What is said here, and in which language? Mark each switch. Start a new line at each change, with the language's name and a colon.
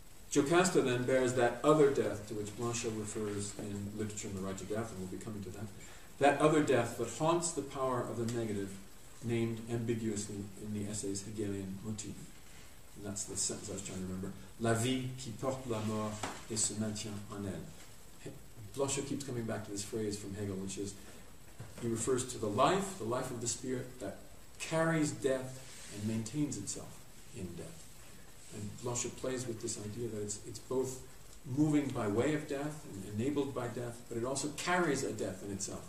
English: Jocasta then bears that other death to which Blanchot refers in Literature on the Righteous Death, and we'll be coming to that, that other death that haunts the power of the negative, named ambiguously in the essay's Hegelian motif. And that's the sentence I was trying to remember.
French: "La vie qui porte la mort et se maintient en elle."
English: Blanchot keeps coming back to this phrase from Hegel, which is, he refers to the life of the spirit that carries death and maintains itself in death. And Blanchot plays with this idea that it's both moving by way of death and enabled by death, but it also carries a death in itself.